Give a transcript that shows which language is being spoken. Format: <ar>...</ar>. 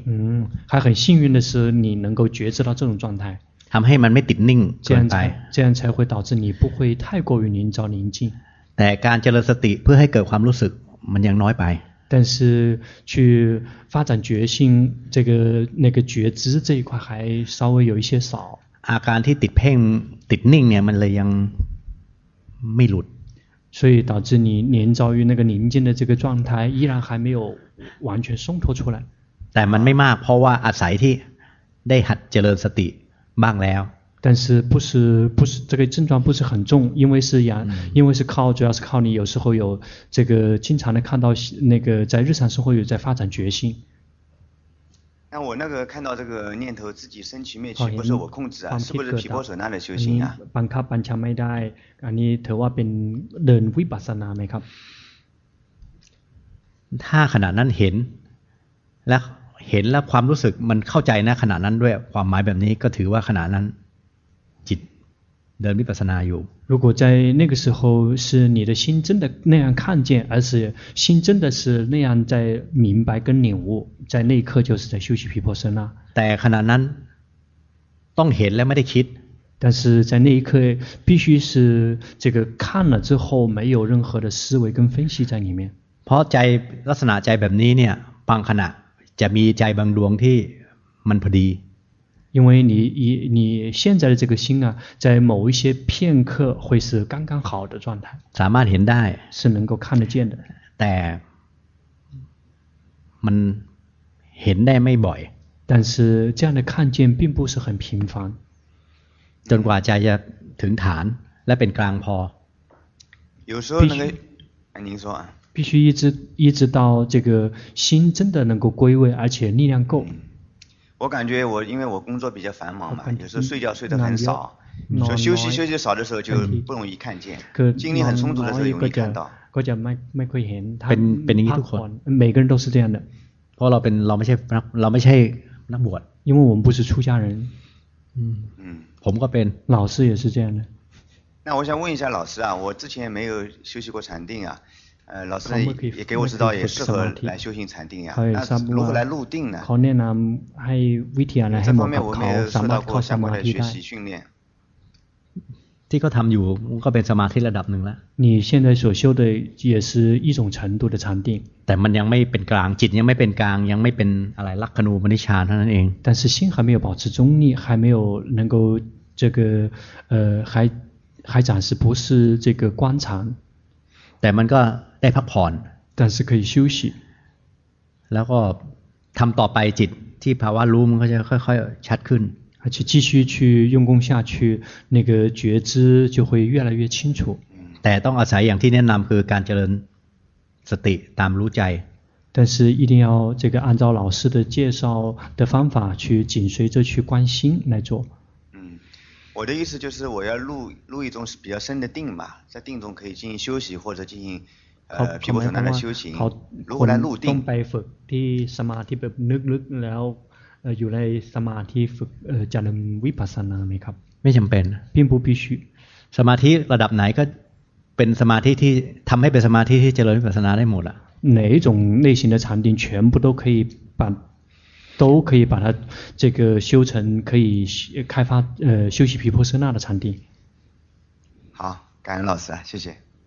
<zh>อืม还很幸运的是你能够觉知到这种状态</zh> <th>ทำให้มันไม่ติดนิ่งเกินไป</th> <zh>这样才会导致你不会太过于凝着宁静</zh> <th>แต่การเจริญสติเพื่อให้เกิดความรู้สึกมันยังน้อยไป</th> <zh>但是去发展觉心这个那个觉知这一块还稍微有一些少</zh> <th>อาการที่ติดเพ่งติดนิ่งเนี่ยมันเลยยังไม่หลุด</th> <zh>所以导致你凝着于那个宁静的这个状态依然还没有完全松脱出来</zh> <th>แต่มันไม่มากเพราะว่าอาศัยที่ได้หัดเจริญสติบ้างแล้ว</th> <zh>但是不是这个症状不是很重因为是阳因为是靠主要是靠你有时候有这个经常的看到那个在日常生活有在发展决心那我那个看到这个念头自己生起灭去不是我控制啊是不是毗婆舍那的修行啊</zh> <th>บังคับบัญชาไม่ได้อันนี้ถือว่าเป็นเดินวิปัสสนาไหมครับ ถ้าขณะนั้นเห็นและเห็นแล้วความรู้สึกมันเข้าใจนะขณะนั้นด้วยความหมายแบบนี้ก็ถือว่าขณะนั้นจิตเดินวิปัสสนาอยู่</th> <zh>如果在那个时候是你的心真的那样看见而是心真的是那样在明白跟领悟在那一刻就是在休息毗婆舍那</zh> <th>แต่ขณะนั้นต้องเห็นแล้วไม่ได้คิด</th> <zh>但是在那一刻必须是这个看了之后没有任何的思维跟分析在里面</zh> <th>เพราะใจลักษณะใจแบบนี้เนี่ยบางขณะจะมีใจบางดวงที่มันพอดี</th> <zh>因为你现在的这个心啊在某一些片刻会是刚刚好的状态</zh> <th>สามารถเห็นได้</th> <zh>是能够看得见的</zh> <th>แต่มันเห็นได้ไม่บ่อย</th> <zh>但是这样的看见并不是很频繁</zh> <th>จนกว่าใจจะถึงฐานและเป็นกลางพอ</th> <zh>有时候那个您说啊必须一直到这个心真的能够归位，而且力量够。我感觉我因为我工作比较繁忙嘛，有时候睡觉睡得很少，就休息少的时候就不容易看见。精力很充足的时候容易看到。</zh> <th>ก็จะไม่ค่อยเห็น。 เป็นอย่างนี้ทุกคน。</th> <zh>每个人都是这样的。</zh> <th>เพราะเราไม่ใช่นักบวช。</th> <zh>因为我们不是出家人。</zh> <th>ผมก็เป็น。</th> <zh>老师也是这样的。那我想问一下老师啊，我之前没有休息过禅定啊。老师也给我知道也适合来修行禅定呀、啊、那如何来入定呢</zh> <th>เขาแนะนำให้วิทยาลัยให้มาเขาสามารถเข้าสมาธิได้ที่เขาทำอยู่ก็เป็นสมาธิระดับหนึ่งแล้ว</th> <zh>你现在所修的也是一种程度的禅定</zh> <th>แต่มันยังไม่เป็นกลางจิตยังไม่เป็นกลางยังไม่เป็นอะไรลักขณูปนิชฌานเท่านั้นเอง</th> <zh>但是心还没有保持中立还没有能够这个还暂时不是这个观禅</zh> <th>แต่มันก็ได้พักผ่อน</th> <zh>但是可以休息</zh> <th>แล้วก็ทำต่อไปจิตที่ภาวะรู้มันก็จะค่อยๆชัดขึ้น</th> <zh>而且继续去用功下去那个觉知就会越来越清楚</zh> <th>แต่ต้องอาศัยอย่างที่แนะนำคือการเจริญสติตามรู้ใจ</th> <zh>但是一定要这个按照老师的介绍的方法去紧随着去观心来做我的意思就是我要入一种比较深的定嘛在定中可以进行休息或者进行毗婆舍那的修行</zh> <th>เขา คน ต้องไปฝึกที่สมาธิแบบนึกๆแล้วอยู่ในสมาธิฝึกเจริญวิปัสสนาไหมครับ ไม่จำเป็น</th> <zh>并不必须</zh> <th>สมาธิระดับไหนก็เป็นสมาธิที่ทำให้เป็นสมาธิที่เจริญวิปัสสนาได้หมดละ</th> <zh>哪一种类型的禅定全部都可以把它这个修成可以开发休息毗婆舍那的禅定好感恩老师啊谢谢</zh>